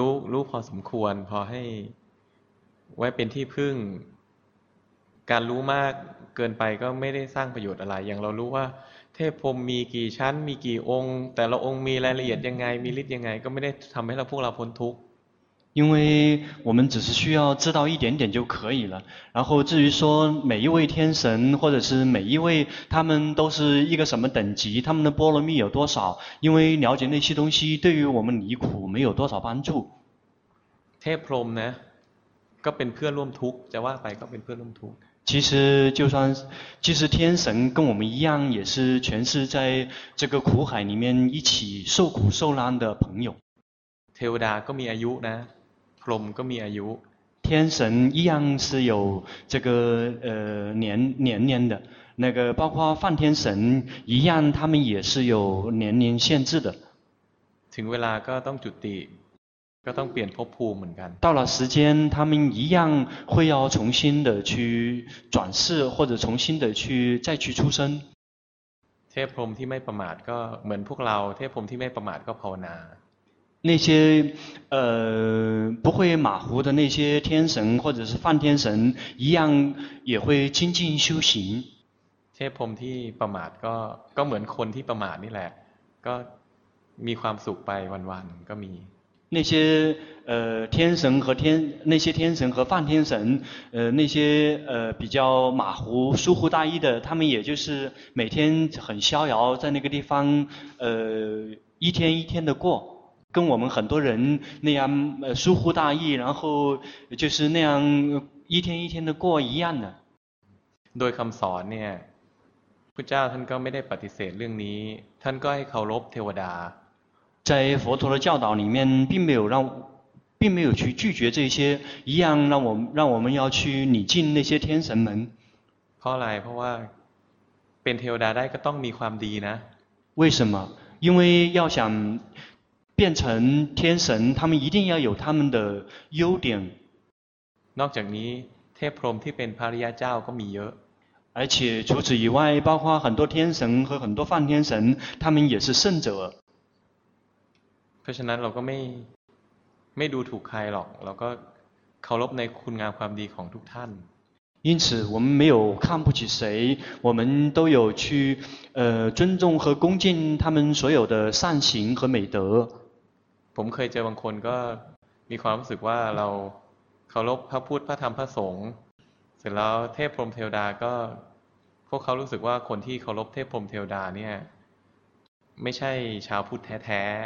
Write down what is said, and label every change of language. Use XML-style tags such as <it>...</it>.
<th>รู้พอสมควรพอให้ไว้เป็นที่พึ่งการรู้มากเกินไปก็ไม่ได้สร้างประโยชน์อะไรอย่างเรารู้ว่าเทพพรหมมีกี่ชั้นมีกี่องค์แต่ละองค์มีรายละเอียดยังไงมีฤทธิ์ยังไงก็ไม่ได้ทำให้พวกเราพ้นทุกข์</th> <zh>因为我们只是需要知道一点点就可以了然后至于说每一位天神或者是每一位他们都是一个什么等级他们的波罗蜜有多少因为了解那些东西对于我们离苦没有多少帮助</zh> <th>เทพพรหมนะก็เป็นเพื่อนร่วมทุกข์จะว่าไปก็เป็นเพื่อนร่วมทุกข์</th> <zh>其实就算其实天神跟我们一样也是全是在这个苦海里面一起受苦受难的朋友</zh> <th>เทวดาก็มีอายุนะพรหมก็มีอายุ</th> <zh>天神一样是有这个年龄的那个包括梵天神一样他们也是有年龄限制的</zh> <th>ถึงเวลาก็ต้องจุติก็ต้องเปลี่ยนภพภูมิเหมือนกัน</th> <zh>到了时间他们一样会要重新的去转世或者重新的去再去出生</zh> <th>เทพพรหมที่ไม่ประมาทก็เหมือนพวกเราเทพพรหมที่ไม่ประมาทก็ภาวนา</th> <zh>那些不会马虎的那些天神或者是梵天神一样也会精进修行</zh> <th>เทพพรหมที่ประมาทก็เหมือนคนที่ประมาทนี่แหละก็ มีความสุขไปวันๆก็มี</th> <zh>那些天神和天那些天神和梵天神那些比较马虎疏忽大意的他们也就是每天很逍遥在那个地方一天一天的过跟我们很多人那样疏忽大意然后就是那样一天一天的过一样的โ</zh> <th>ดยคำสอนเนี่ยพุทธเจ้าท่านก็ไม่ได้ปฏิเสธเรื่องนี้ท่านก็ให้เคารพเทวดา</th> <zh>在佛陀的教导里面并没有去拒绝这些一样让我们要去礼敬那些天神们</zh> <th>เพราะอะไรเพราะว่าเป็นเทวดาได้ก็ต้องมีความดีนะ</th> <zh>为什么因为要想变成天神他们一定要有他们的优点</zh> <th>นอกจากนี้เทพพรหมที่เป็นพระอริยะเจ้าก็มีเยอะ</th> <zh>而且除此以外包括很多天神和很多梵天神他们也是圣者</zh> <th>เพราะฉะนั้นเราก็ไม่ดูถูกใครหรอกเราก็เคารพในคุณงามความดีของทุกท่าน</th> <zh>因此我们没有看不起谁我们都有去尊重和恭敬他们所有的善行和美德</zh> <th>ผมเคยเจอบางคนก็มีความรู้สึกว่าเราเคารพพระพุทธพระธรรมพระสงฆ์เสร็จแล้วเทพพรหมเทวดาก็พวกเขารู้สึกว่าคนที่เคารพเทพพรหมเทวดาเนี่ยไม่ใช่ชาวพุทธแท้</th>